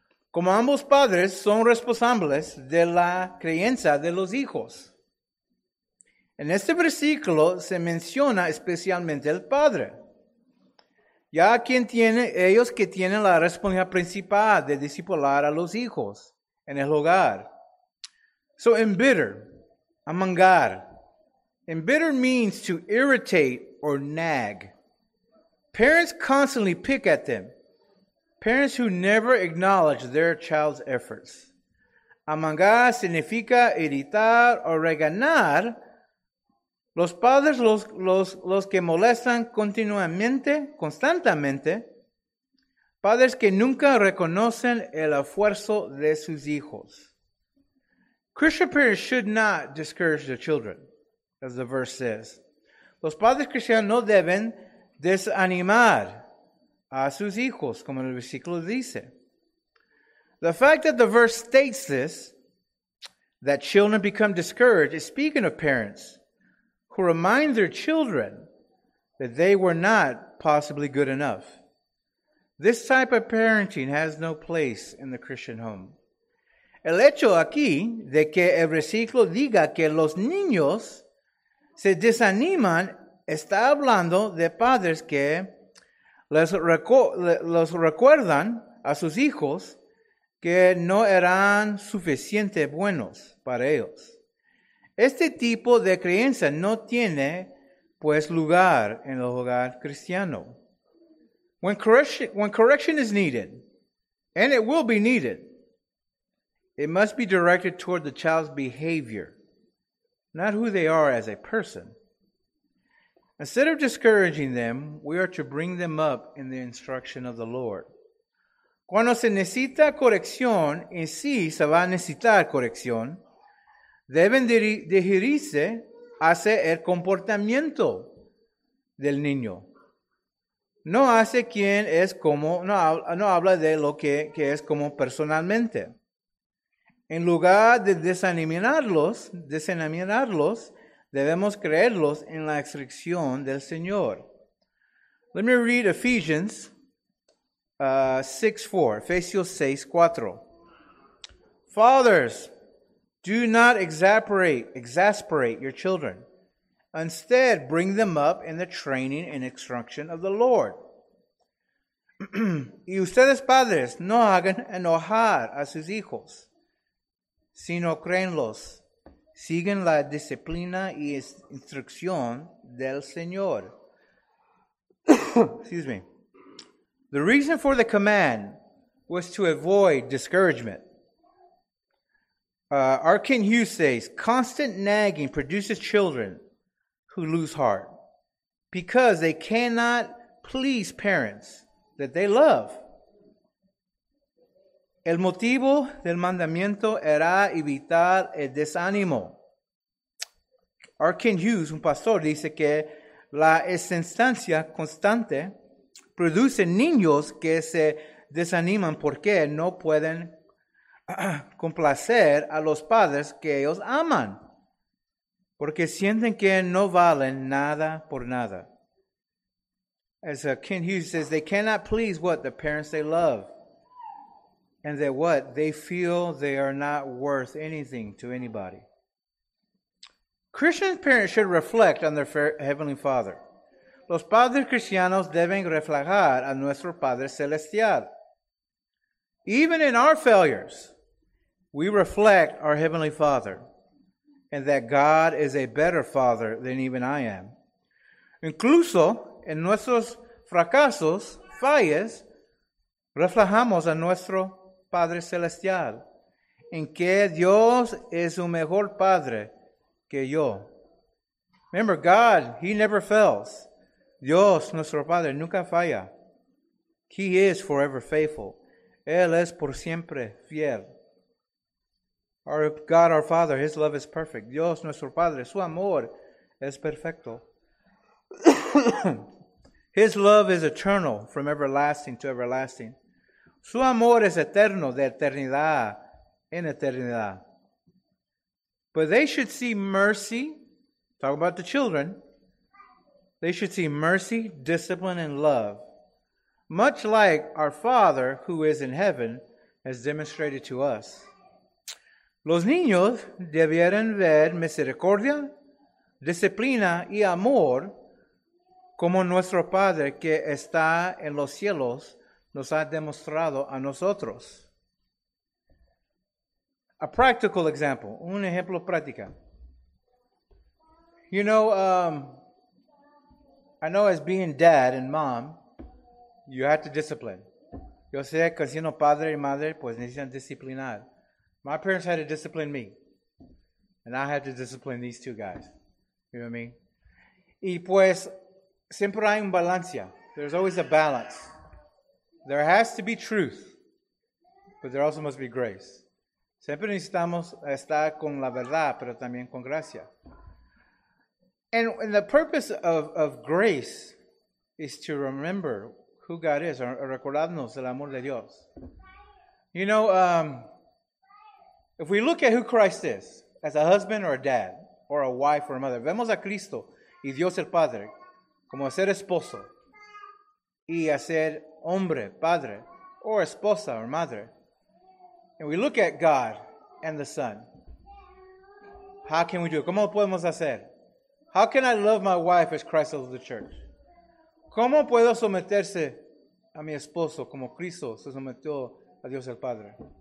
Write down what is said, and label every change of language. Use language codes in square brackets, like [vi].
[es] Como ambos padres son responsables de la crianza de los hijos. En este versículo se menciona especialmente el padre. Ya quien tiene, ellos que tienen la responsabilidad principal de discipular a los hijos en el hogar. [en] So embitter, [es] amargar. [en] Embitter means to irritate or nag. Parents constantly pick at them. Parents who never acknowledge their child's efforts. [es] Amargar significa irritar o regañar. Los padres los que molestan constantemente. Padres que nunca reconocen el esfuerzo de sus hijos. [en] Christian parents should not discourage their children, as the verse says. [es] Los padres cristianos no deben desanimar a sus hijos, como el versículo dice. [en] The fact that the verse states this, that children become discouraged, is speaking of parents who remind their children that they were not possibly good enough. This type of parenting has no place in the Christian home. [es] El hecho aquí de que el versículo diga que los niños se desaniman está hablando de padres que los recuerdan a sus hijos que no eran suficiente buenos para ellos. Este tipo de creencia no tiene, pues, lugar en el hogar cristiano. [en] When correction is needed, and it will be needed, it must be directed toward the child's behavior, not who they are as a person. Instead of discouraging them, we are to bring them up in the instruction of the Lord. [es] Cuando se necesita corrección, en sí se va a necesitar corrección, deben dirigirse hacia el comportamiento del niño. No hace quien es como, no habla de lo que es como personalmente. En lugar de desanimarlos, debemos creerlos en la instrucción del Señor. [en] Let me read Ephesians 6:4. Ephesians 6:4. Fathers, do not exasperate your children. Instead, bring them up in the training and instruction of the Lord. [es] Y ustedes, padres, no hagan enojar a sus hijos, sino créenlos. Siguen la disciplina y instrucción del Señor. [en] Excuse me. The reason for the command was to avoid discouragement. R. Ken Hughes says, constant nagging produces children who lose heart because they cannot please parents that they love. [es] El motivo del mandamiento era evitar el desánimo. R. Ken Hughes, un pastor, dice que la insistencia constante produce niños que se desaniman porque no pueden complacer a los padres que ellos aman, porque sienten que no valen nada por nada. [en] As Ken Hughes says, they cannot please what the parents they love, and that what they feel they are not worth anything to anybody. Christian parents should reflect on their Heavenly Father. [es] Los padres cristianos deben reflejar a nuestro Padre Celestial. [en] Even in our failures, we reflect our Heavenly Father, and that God is a better Father than even I am. [es] Incluso en nuestros fracasos, fallas, reflejamos a nuestro Padre Celestial, en que Dios es un mejor Padre que yo. [en] Remember, God, He never fails. [es] Dios, nuestro Padre, nunca falla. [en] He is forever faithful. [es] Él es por siempre fiel. [en] Our God, our Father, His love is perfect. [es] Dios, nuestro Padre, su amor es perfecto. [en] His love is eternal, from everlasting to everlasting. [es] Su amor es eterno, de eternidad en eternidad. [en] But they should see mercy, talk about the children, they should see mercy, discipline, and love, much like our Father, who is in heaven, has demonstrated to us. [es] Los niños debieran ver misericordia, disciplina, y amor, como nuestro Padre que está en los cielos nos ha demostrado a nosotros. [en] A practical example, [es] un ejemplo práctico. [en] You know, I know as being dad and mom, you have to discipline. [es] Yo sé que siendo padre y madre, pues necesitan disciplinar. [en] My parents had to discipline me, and I had to discipline these two guys. You know what I mean? [es] Y pues, siempre hay un balance. [en] There's always a balance. There has to be truth, but there also must be grace. [es] Siempre necesitamos estar con la verdad, pero también con gracia. [en] And the purpose of grace is to remember who God is, or [es] recordarnos el amor de Dios. [en] You know, if we look at who Christ is, as a husband or a dad, or a wife or a mother, [es] vemos a Cristo y Dios el Padre, como ser esposo y ser hombre, padre, or esposa or madre. [en] And we look at God and the Son. How can we do it? [es] ¿Cómo podemos hacer? [en] How can I love my wife as Christ loves the church? [es] ¿Cómo puedo someterse a mi esposo como Cristo se sometió a Dios el Padre?